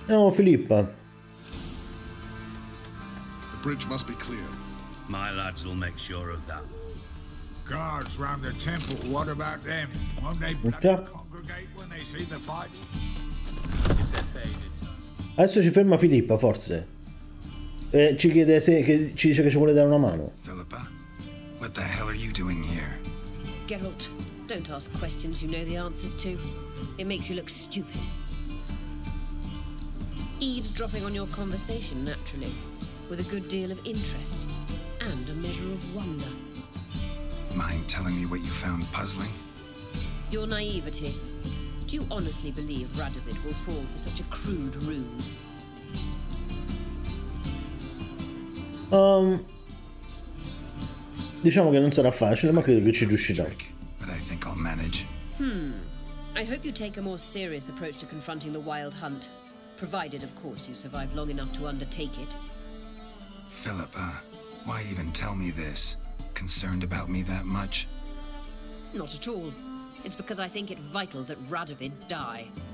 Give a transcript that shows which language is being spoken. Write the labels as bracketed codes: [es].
[en] No, Filippa. The bridge must be clear. My lads will make sure of that. Guards round the temple, what about them? Won't they congregate when they see the fight? [it] Adesso ci ferma Filippa, forse. E ci chiede se, che ci dice che ci vuole dare una mano. [en] Filippa, what the hell are you doing here? Geralt, don't ask questions you know the answers to. It makes you look stupid. Eavesdropping on your conversation, naturally, with a good deal of interest and a measure of wonder. Mind telling me what you found puzzling? Your naivety. Do you honestly believe Radovid will fall for such a crude ruse? [it] Diciamo che non sarà facile, ma credo che ci riuscirà. [en] But I think I'll manage. I hope you take a more serious approach to confronting the Wild Hunt. Provided, of course, you survive long enough to undertake it. Philippa, why even tell me this? Concerned about me that much? Not at all. It's because I think it vital that Radovid die.